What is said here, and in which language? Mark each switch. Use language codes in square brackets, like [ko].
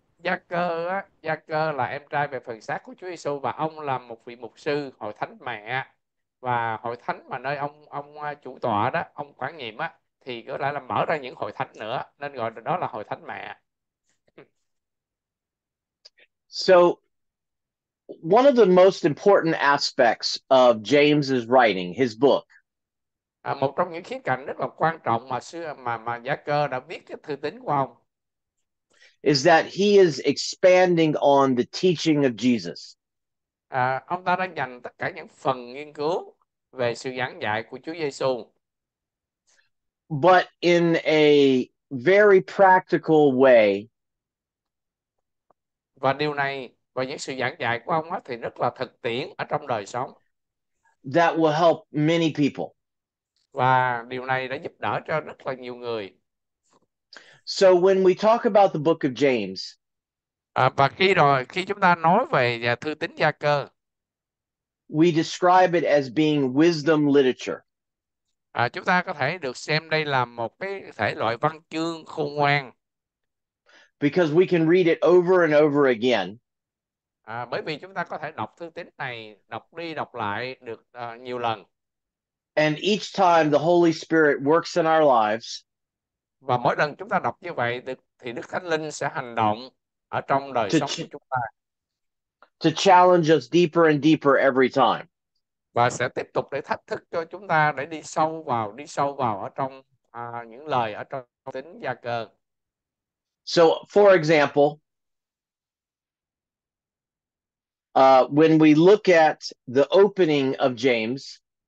[vi] Gia Cơ là em trai về phần xác của Chúa Giêsu và ông là một vị mục sư hội thánh mẹ, và hội thánh mà nơi ông chủ tọa đó, ông quản nhiệm á, thì có lẽ là mở ra những hội thánh nữa nên gọi đó là hội thánh mẹ. [en] So, one of the most important aspects of James's writing, his book, [vi] À, một trong những khía cạnh rất là quan trọng mà xưa mà Gia Cơ đã viết cái thư tín của ông. [en] is that he is expanding on the teaching of Jesus. [vi] À, ông ta đã dành tất cả những phần nghiên cứu về sự giảng dạy của Chúa Giêsu. [en] But in a very practical way, [vi] Và điều này và những sự giảng dạy của ông ấy thì rất là thực tiễn ở trong đời sống. [en] that will help many people. [vi] Và điều này đã giúp đỡ cho rất là nhiều người. [en] So when we talk about the book of James, [vi] À, và khi chúng ta nói về thư tín Gia Cơ, [en] we describe it as being wisdom literature. [vi] à, chúng ta có thể được xem đây là một cái thể loại văn chương khôn ngoan. [en] Because we can read it over and over again. [vi] À, bởi vì chúng ta có thể đọc thư tín này đọc đi đọc lại được nhiều lần. [en] And each time the Holy Spirit works in our lives [vi] Và mỗi lần chúng ta đọc như vậy thì Đức Thánh Linh sẽ hành động ở trong đời sống của chúng ta [en] to challenge us deeper and deeper every time. [vi] và sẽ tiếp tục để thách thức cho chúng ta để đi sâu vào ở trong những lời ở trong tín Gia Cơ. [en] So, for example, when we look at the opening of James,